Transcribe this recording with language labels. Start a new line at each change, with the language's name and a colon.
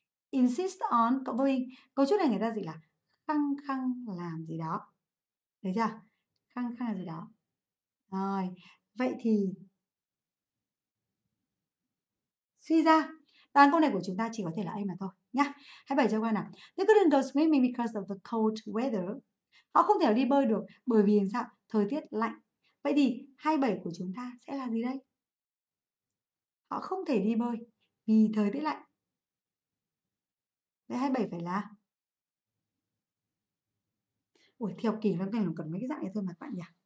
Vietnamese: Insist on cộng với cấu trúc này người ta dịch là khăng khăng làm gì đó. Thấy chưa? Khăng khăng làm gì đó. Rồi, vậy thì suy ra đáp án câu này của chúng ta chỉ có thể là A mà thôi nhá. Hãy bảy cho qua nào.
English: They couldn't go swimming because of the cold weather.
Vietnamese: Họ không thể đi bơi được bởi vì sao? Thời tiết lạnh. Vậy thì 27 của chúng ta sẽ là gì đây? Họ không thể đi bơi vì thời tiết lạnh. Vậy 27 phải là ủa thi học kỳ lắm cần mấy cái dạng này thôi mà các bạn nhỉ?